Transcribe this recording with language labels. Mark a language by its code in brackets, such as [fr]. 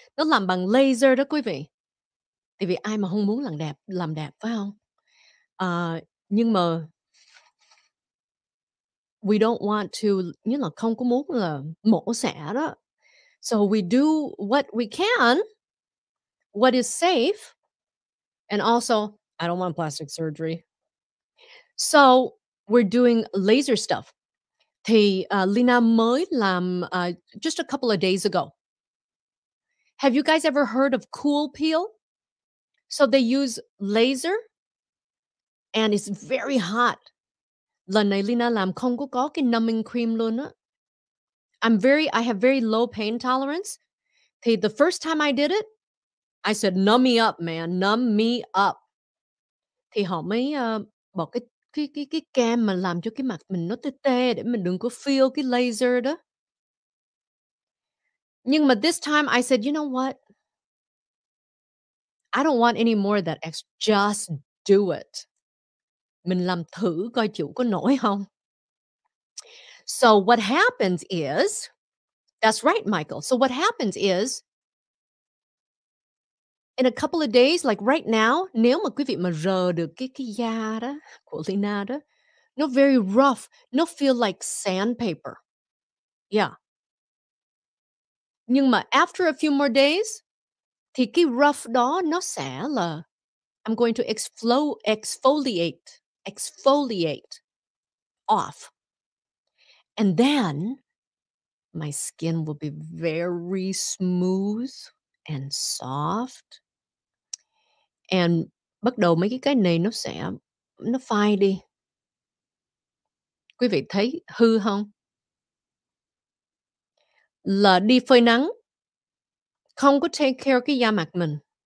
[vi] Nó làm bằng laser đó quý vị. Tại vì ai mà không muốn làm đẹp phải không? Nhưng mà [en] we don't want to, [vi] như là không có muốn là mổ xẻ đó. [en] So we do what we can, what is safe, and also I don't want plastic surgery. So we're doing laser stuff. [vi] Thì Lina mới làm [en] just a couple of days ago. Have you guys ever heard of cool peel? So they use laser and it's very hot. [vi] Lần này Lina làm không có cái numbing cream luôn á. [en] I have very low pain tolerance. [vi] Thì [en] the first time I did it, I said, numb me up, man. Numb me up. [vi] Thì họ mới bỏ cái kem mà làm cho cái mặt mình nó tê tê để mình đừng có feel cái laser đó. Nhưng mà [en] this time I said, you know what? I don't want any more of that extra. Just do it. [vi] Mình làm thử coi chịu có nổi không? [en] So what happens is, that's right, Michael. So what happens is, in a couple of days, like right now, [vi] nếu mà quý vị mà rờ được cái da đó, của Lina đó, nó [en] very rough, nó feel like sandpaper. Yeah. [vi] Nhưng mà [en] after a few more days, [vi] thì cái [en] rough [vi] đó nó sẽ là, [en] I'm going to exfoliate off. And then, my skin will be very smooth and soft. And [vi] bắt đầu mấy cái này nó sẽ, nó phai đi. Quý vị thấy hư không? Là đi phơi nắng, không có [en] take care [vi] cái da mặt mình.